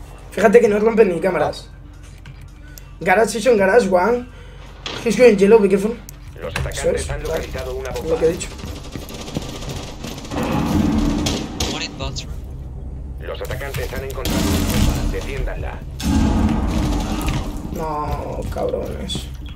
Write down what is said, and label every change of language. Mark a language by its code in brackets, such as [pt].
[es] Fíjate que no rompen ni cámaras. [en] Garage station, garage one. He's going yellow, be careful. [es] Los atacantes han localizado una bomba. Lo que he dicho. Los atacantes han encontrado una bomba, defiéndanla. No, cabrones.